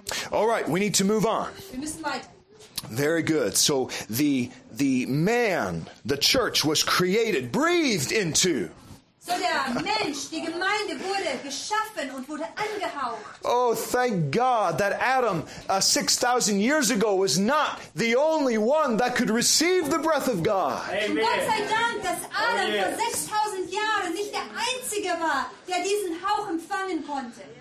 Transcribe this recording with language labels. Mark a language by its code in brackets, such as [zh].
[en] All right, we need to move on. Very good. So the man, the church, was created, breathed into. [de] So der Mensch, die Gemeinde wurde geschaffen und wurde angehaucht. [en] Oh, thank God that Adam 6,000 years ago was not the only one that could receive the breath of God. Amen. [de] Und Gott sei Dank, dass Adam [en] oh, yes. [de] vor 6,000 Jahren nicht der Einzige war, der diesen Hauch empfangen konnte.